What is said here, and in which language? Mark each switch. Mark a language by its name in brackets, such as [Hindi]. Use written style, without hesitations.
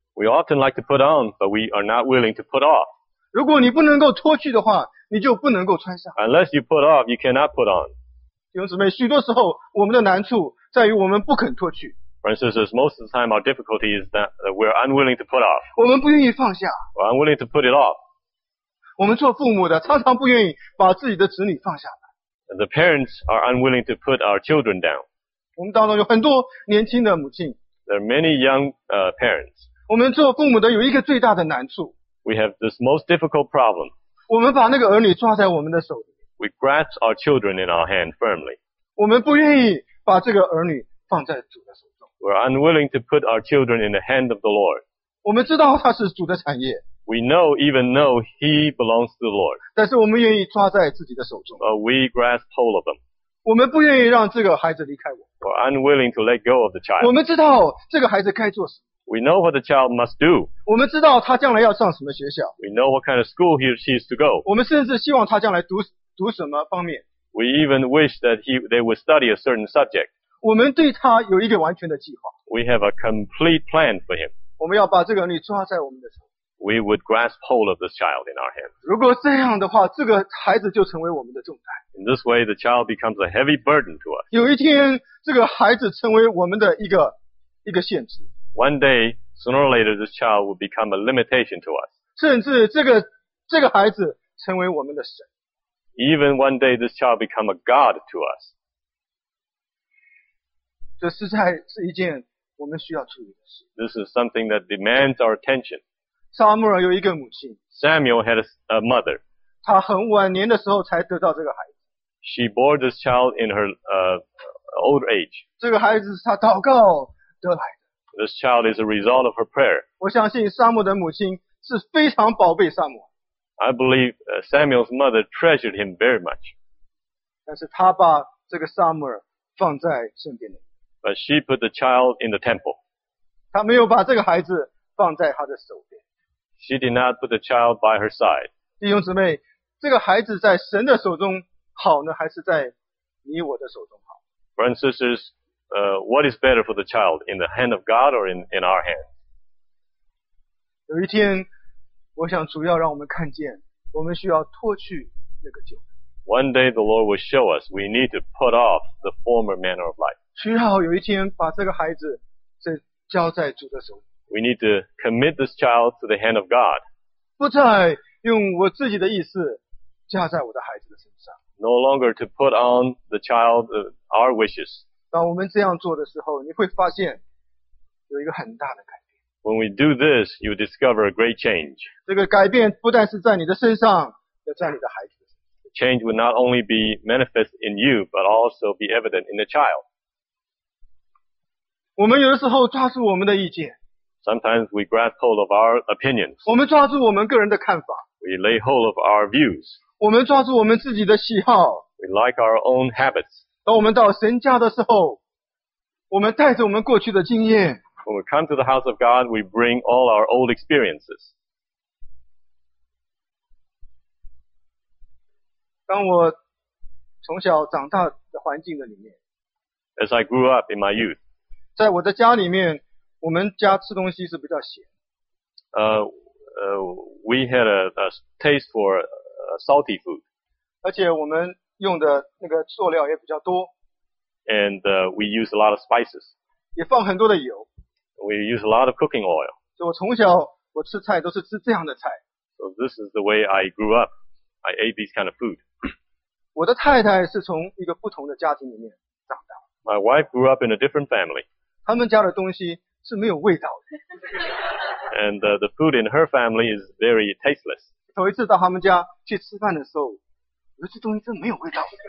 [English] We often like to put on, but we are not willing to put off. [Chinese] 如果你不能够脱去的话，你就不能够穿上。 [English] Unless you put off, you cannot put on. [Chinese] 弟兄姊妹，许多时候我们的难处在于我们不肯脱去。 [English] For instance, most of the time our difficulty is that we're unwilling to put off. [Chinese] 我们不愿意放下。 [English] We're unwilling to put it off. [Chinese] 我们做父母的常常不愿意把自己的子女放下来。 [English] The parents are unwilling to put our children down. [Chinese] 我们当中有很多年轻的母亲。 [English] There are many young parents. [Chinese] 我们做父母的有一个最大的难处。 [English] We have this most difficult problem. [Chinese] 我们把那个儿女抓在我们的手里。 [English] We grasp our children in our hand firmly. [Chinese] 我们不愿意把这个儿女放在主的手中。 [English] We're unwilling to put our children in the hand of the Lord. [Chinese] 我们知道他是主的产业。 [English] We know, even know, he belongs to the Lord. [Chinese] 但是我们愿意抓在自己的手中。 [English] But we grasp hold of them. [Chinese] 我们不愿意让这个孩子离开我。 [English] We're unwilling to let go of the child. [Chinese] 我们知道这个孩子该做什么。 [English] We know what the child must do. [Chinese] 我们知道他将来要上什么学校。 [English] We know what kind of school he or she is to go. [Chinese] 我们甚至希望他将来读什么方面。 [English] We even wish that they would study a certain subject. [Chinese] 我们对他有一个完全的计划。 [English] We have a complete plan for him. [Chinese] 我们要把这个你抓在我们的手。 [English] We would grasp hold of this child in our hands. [Chinese] 如果这样的话，这个孩子就成为我们的重担。 [English] In this way, the child becomes a heavy burden to us. [Chinese] 有一天，这个孩子成为我们的一个限制。 [English] One day, sooner or later, this child will become a limitation to us. [Chinese] 甚至这个孩子成为我们的神。 [English] Even one day, this child become a god to us. [Chinese] 这实在是一件我们需要注意的事。 [English] This is something that demands our attention. [Chinese] 撒母耳有一个母亲。 [English] Samuel had a mother. [Chinese] 她很晚年的时候才得到这个孩子。 [English] She bore this child in her old age. [Chinese] 这个孩子是她祷告得来的。 [English] This child is a result of her prayer. [Chinese] 我相信撒母的母亲是非常宝贝撒母。 [English] I believe Samuel's mother treasured him very much. [Chinese] 但是她把这个撒母耳放在圣殿里。 [English] But she put the child in the temple. [Chinese] 她没有把这个孩子放在她的手边。 [English] She did not put the child by her side. [Chinese] 弟兄姊妹，这个孩子在神的手中好呢，还是在你我的手中好？ [English] Brothers and sisters, what is better for the child, in the hand of God or in our hand? [Chinese] 有一天，我想主要让我们看见，我们需要脱去那个旧。 [English] One day the Lord will show us we need to put off the former manner of life. [Chinese] 需要有一天把这个孩子交在主的手里。 [English] We need to commit this child to the hand of God. [Chinese] 不再用我自己的意思加在我的孩子的身上。 [English] No longer to put on the child our wishes. [Chinese] 当我们这样做的时候，你会发现有一个很大的改变。 [English] When we do this, you discover a great change. [Chinese] 这个改变不但是在你的身上，也在你的孩子的身上。 [English] Change will not only be manifest in you, but also be evident in the child. [Chinese] 我们有的时候抓住我们的意见。 [English] Sometimes we grasp hold of our opinions. [Chinese] 我们抓住我们个人的看法。 [English] We lay hold of our views. [Chinese] 我们抓住我们自己的喜好。 [English] We like our own habits. [Chinese] 当我们到神家的时候，我们带着我们过去的经验。 [English] When we come to the house of God, we bring all our old experiences. [Chinese] 当我从小长大的环境的里面。 [English] As I grew up in my youth. [Chinese] 在我的家里面。我们家吃东西是比较咸。 [English] We had a taste for salty food. [Chinese] 而且我们用的那个塑料也比较多。 [English] And we use a lot of spices. [Chinese] 也放很多的油。 [English] We use a lot of cooking oil. [Chinese] 所以我从小我吃菜都是吃这样的菜。 [English] So this is the way I grew up. I ate these kind of food. [Chinese] 我的太太是从一个不同的家庭里面长大。 [English] My wife grew up in a different family. [Chinese] 他们家的东西是没有味道的。 [English] And the food in her family is very tasteless. [Chinese] 头一次到他们家去吃饭的时候，我说这东西真没有味道。